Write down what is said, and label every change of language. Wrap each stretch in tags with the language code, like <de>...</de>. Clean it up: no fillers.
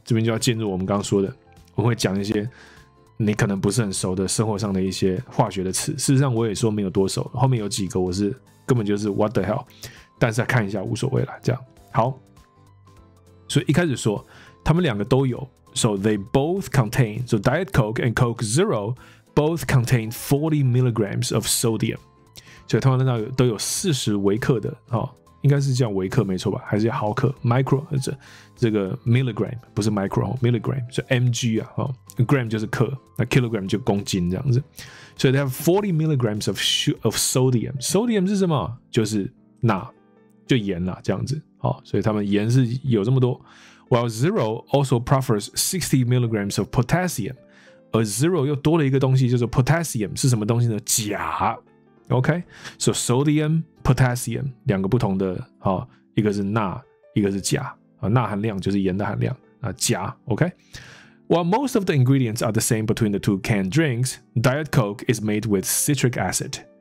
<zh>这边就要进入我们刚刚说的，我会讲一些你可能不是很熟的生活上的一些化学的词。事实上我也说没有多熟，后面有几个我是根本就是</zh> <en>what the hell，</en> <zh>但是看一下无所谓啦，这样。好，所以一开始说他们两个都有。</zh> <en>So they both contain, so Diet Coke and Coke Zero both contain 40 milligrams of sodium.</en> <zh>所以他们那都有40微克的、哦、应该是叫微克没错吧，还是叫毫克 micro， 这个 milligram 不是 micro， milligram 是 mg 啊、哦、gram 就是克，那 kilogram 就公斤这样子。</zh> <en>所以 they have 40 milligrams of sodium. Sodium</en> <zh>是什么？就是钠，就盐啦这样子、哦、所以他们盐是有这么多。</zh> <en>While Zero also prefers 60 milligrams of potassium，</en> <zh>而 Zero 又多了一个东西，就是 potassium 是什么东西呢？钾。 OK， so sodium potassium 两个不同的、哦、一个是钠，一个是钾。钠含量就是盐的含量，钾。</zh> <en>OK， while most of the ingredients are the same between the two canned drinks， Diet Coke is made with citric acid。</en>